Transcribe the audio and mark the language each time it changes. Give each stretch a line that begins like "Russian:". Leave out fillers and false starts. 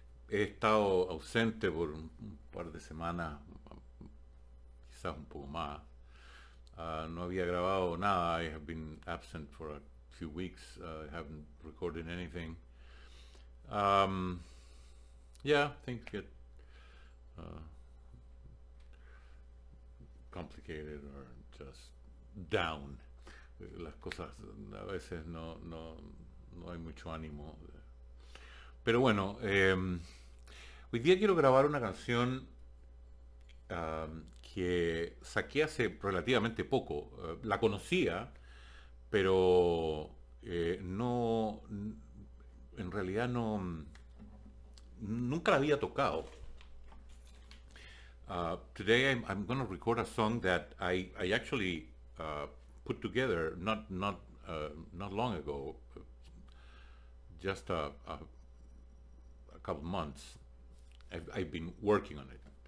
Spanish: He estado ausente por un par de semanas, quizás un poco más.
English: No había grabado nada. I have been absent for a few weeks. I haven't recorded anything. Yeah, things get complicated or just down.
Spanish: Las cosas a veces no hay mucho ánimo. Pero bueno, hoy día quiero grabar una canción que saqué hace relativamente poco. La conocía, pero no, en realidad no, nunca la había tocado.
English: Today I'm going to record a song that I actually put together not long ago, just a couple months. I've been working on it.